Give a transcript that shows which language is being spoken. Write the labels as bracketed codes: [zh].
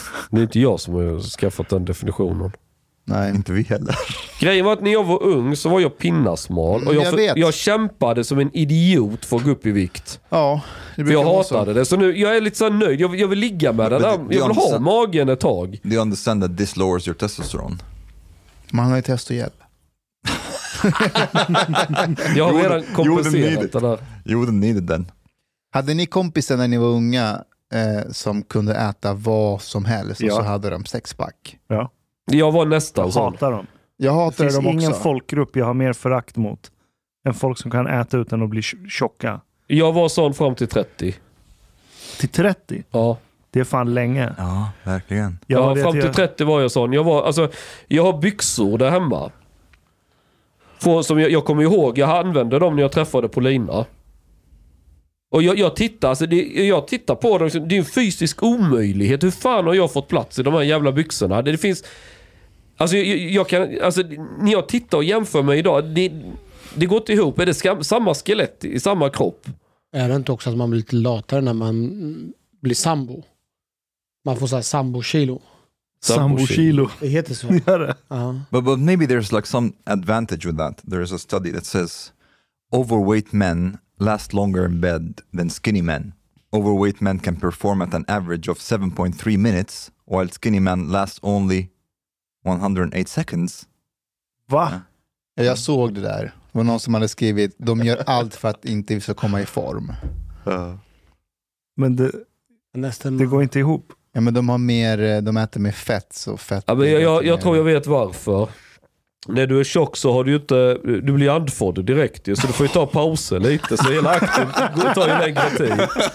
[sv] Det är inte jag som har skaffat den definitionen. Nej, inte vi heller. Grejen var att när jag var ung så var jag pinnasmal. Och jag kämpade som en idiot för att gå upp i vikt. Ja, det blir jag hatade så. Det. Så nu, jag är lite så nöjd. Jag vill ligga med den. Jag vill ha magen ett tag. [en] Do you understand that this lowers your testosterone? [sv] Man har ju test och hjälp. Jag har redan kompenserat det där. [en] You wouldn't need it then. [sv] Hade ni kompisar när ni var unga som kunde äta vad som helst? Ja. Och så hade de sexpack. Ja. Jag var nästan. Jag hatar dem. Jag hatar dem också. Det finns ingen folkgrupp jag har mer förakt mot än folk som kan äta utan att bli tjocka. Jag var sån fram till 30. Till 30? Ja. Det är fan länge. Ja, verkligen. Jag fram till 30 var jag sån. Jag var, alltså, jag har byxor där hemma. Som jag kommer ihåg, jag använde dem när jag träffade Paulina. Och jag tittar på dem. Det är en fysisk omöjlighet. Hur fan har jag fått plats i de här jävla byxorna? Det finns... Alltså, jag kan, alltså, när jag tittar och jämför mig idag, det går inte ihop. Är det samma skelett i samma kropp? Är det inte också att man blir lite latare när man blir sambo? Man får så här sambo-kilo. Sambo-kilo. Det heter så. Ja, det. Uh-huh. [en] But maybe there's like some advantage with that. There is a study that says overweight men last longer in bed than skinny men. Overweight men can perform at an average of 7.3 minutes while skinny men last only 108 seconds. [sv] Va? Ja. Jag såg det där. Det var någon som hade skrivit, de gör allt för att inte ska komma i form. Men det går inte ihop. Ja, men de har mer, de äter mer fett, så fett. Ja, men jag tror jag vet varför. När du är tjock så har du ju inte, du blir andfådd direkt, så du får ju ta pauser lite, så hela akten tar ju längre tid.